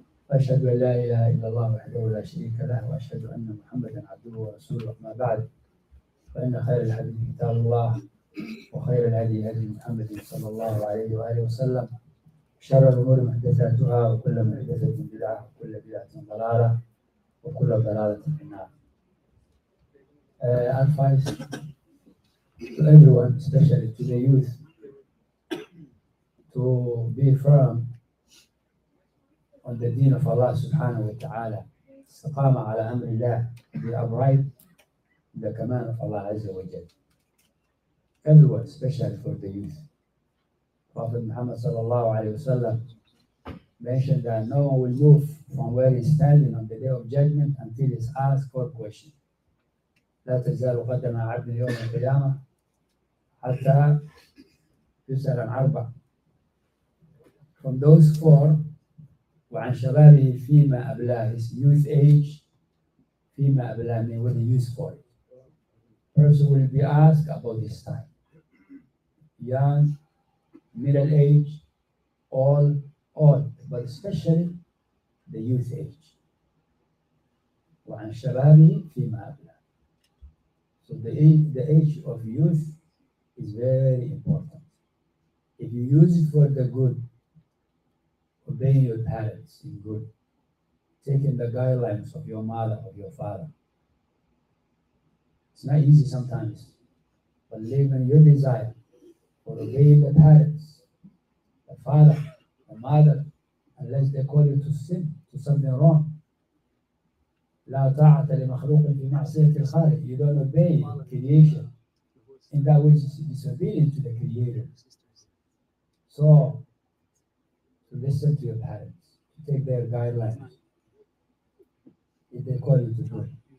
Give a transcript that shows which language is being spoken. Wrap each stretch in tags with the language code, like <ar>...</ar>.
<ar>وأشهد أن لا إله إلا الله وحده لا شريك له وأشهد أن محمدا عبده ورسوله أما بعد فإن خير الحديث كتاب الله وخير الهدي هدي محمد صلى الله عليه وآله وسلم شر الأمور محدثاتها وكل محدثة بدعة وكل بدعة ضلالة وكل ضلالة في النار.</ar> <en>Advice to everyone, especially to the youth, to be firm on the deen of Allah subhanahu wa ta'ala.</en> <ar>استقامة على أمر الله,</ar> <en>be upright in the command of Allah Azza wa Jal. Everyone, especially for the youth. Prophet Muhammad sallallahu alayhi wa sallam mentioned that no one will move from where he's standing on the day of judgment until he's asked for a question.</en> <ar>لا تزال قدم عبد يوم القيامة حتى يسأل عن أربع.</ar> <en>From those four,</en> <ar>وعن شبابه فيما أبلاه,</ar> <en>his youth age, فيما أبلاه, meaning when he used for it. Person will be asked about his time. Young, middle age, all, but especially the youth age.</en> <ar>وعن شبابي فيما أبلغ.</ar> <en>So the age of youth is very important. If you use it for the good, obeying your parents in good, taking the guidelines of your mother, of your father, it's not easy sometimes, but living your desire for obeying the parents, a father, a mother, unless they call you to sin, to something wrong.</en> <ar>لا طاعة لمخلوق في معصية الخالق.</ar> <en>You don't obey creation in that which is disobedient to the creator. So, to listen to your parents, to take their guidelines, if they call you to do it.</en>